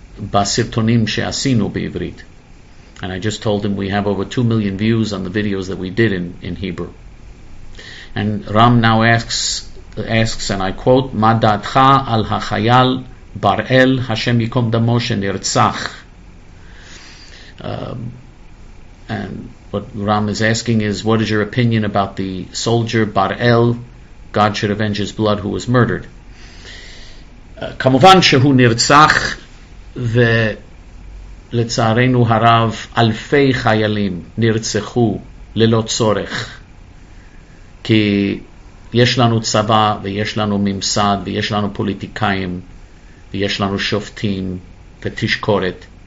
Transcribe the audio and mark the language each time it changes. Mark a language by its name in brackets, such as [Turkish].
[Hebrew] בסרטונים שעשינו בעברית. [English] And I just told him we have over 2 million views on the videos that we did in Hebrew. And Ram now asks, and I quote, [Hebrew] מה דעתך על החייל בראל השם יקום דמו שנרצח? [English] And what Ram is asking is, what is your opinion about the soldier Bar-El, God should avenge his blood, who was murdered? [Hebrew] כמובן שהוא נרצח, ולצערנו הרב אלפי חיילים נרצחו ללא צורך, כי יש לנו צבא ויש לנו ממסד ויש לנו פוליטיקאים ויש לנו שופטים ותשקורת